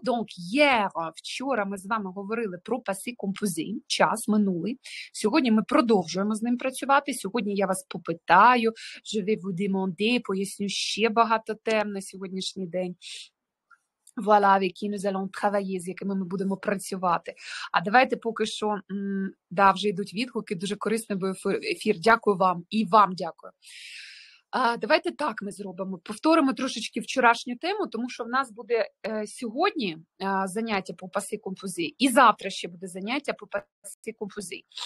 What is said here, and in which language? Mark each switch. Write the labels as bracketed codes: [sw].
[fr] Donc, hier, [uk] вчора ми з вами говорили про passé composé, час минулий. Сьогодні ми продовжуємо з ним працювати. Сьогодні я вас попитаю, [fr] je vais vous demander, [uk] поясню ще багато тем на сьогоднішній день. [fr] Voilà, avec qui nous allons travailler, [uk] з якими ми будемо працювати. А давайте поки що, да, вже йдуть відгуки, дуже корисний був ефір. Дякую вам, і вам дякую. Давайте так ми зробимо. Повторимо трошечки вчорашню тему, тому що в нас буде сьогодні заняття по passé composé, і завтра ще буде заняття по passé composé.